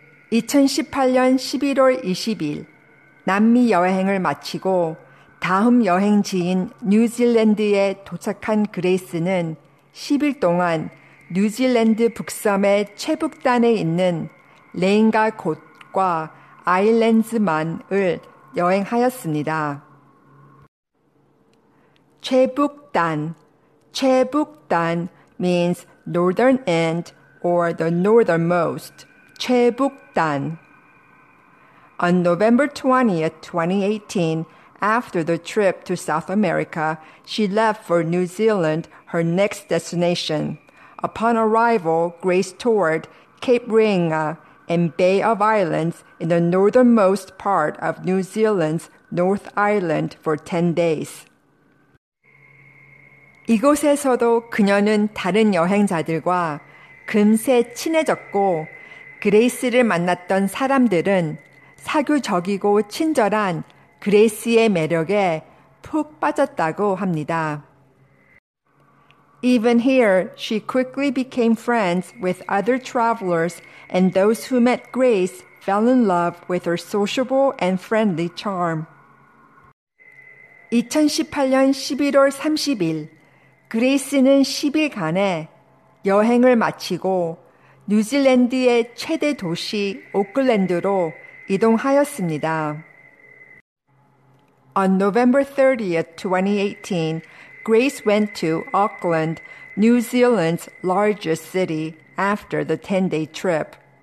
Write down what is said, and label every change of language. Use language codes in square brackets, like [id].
[ko] 2018년 11월 20일, 남미 여행을 마치고 다음 여행지인 뉴질랜드에 도착한 그레이스는 10일 동안 뉴질랜드 북섬의 최북단에 있는 레인가 곳과 아일랜드만을 여행하였습니다. [en] 최북단, 최북단 means northern end or the northernmost. 최북단. On November 20th, 2018, after the trip to South America, she left for New Zealand, her next destination. Upon arrival, Grace toured Cape Reinga and Bay of Islands in the northernmost part of New Zealand's North Island for 10 days. [ko] 이곳에서도 그녀는 다른 여행자들과 금세 친해졌고 그레이스를 만났던 사람들은 사교적이고 친절한 그레이스의 매력에 푹 빠졌다고 합니다. [en] Even here, she quickly became friends with other travelers, and those who met Grace fell in love with her sociable and friendly charm. [ko] 2018년 11월 30일, 그레이스는 10일간에 여행을 마치고 뉴질랜드의 최대 도시 오클랜드로 이동하였습니다. [en] On November 30th, 2018, Grace went to Auckland, New Zealand's largest city, after the 10-day trip.